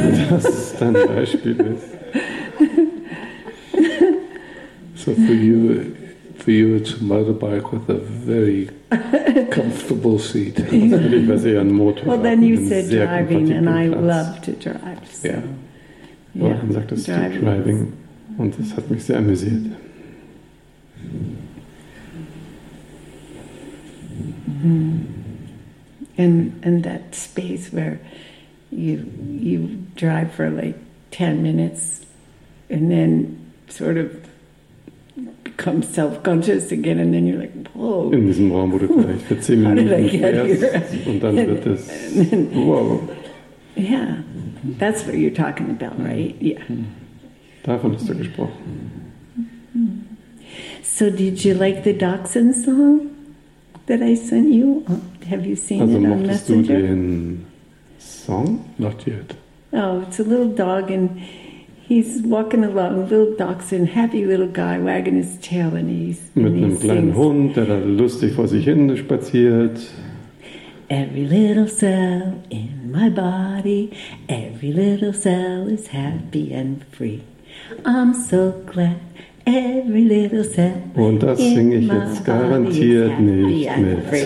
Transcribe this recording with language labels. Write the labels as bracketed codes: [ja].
[de] Das dein Beispiel ist. [en] So for you it's a motorbike with a very comfortable seat. Well, then you said driving, and I love to drive. So. [de] Yeah. Ja, dann sagtest du driving, und das hat mich sehr amüsiert. [en] And that space where you drive for like 10 minutes and then sort of become self-conscious again, and then you're like, whoa. [de] In diesem Raum, wo du vielleicht für 10 Minuten fährst, und dann wird es, wow. [en] Yeah, that's what you're talking about, right? Yeah. [de] Davon hast du gesprochen. [en] So did you like the Dachshund song that I sent you? Have you seen also it on Messenger? [de] Du den song? [en] Not yet. Oh, it's a little dog, and he's walking along, little dachshund, happy little guy, wagging his tail, and he's [de] mit einem kleinen Hund, der da lustig vor sich hin spaziert. [en] Every little cell in my body, every little cell is happy and free. I'm so glad. Every little cell. [de] Und das singe ich jetzt garantiert nicht mit.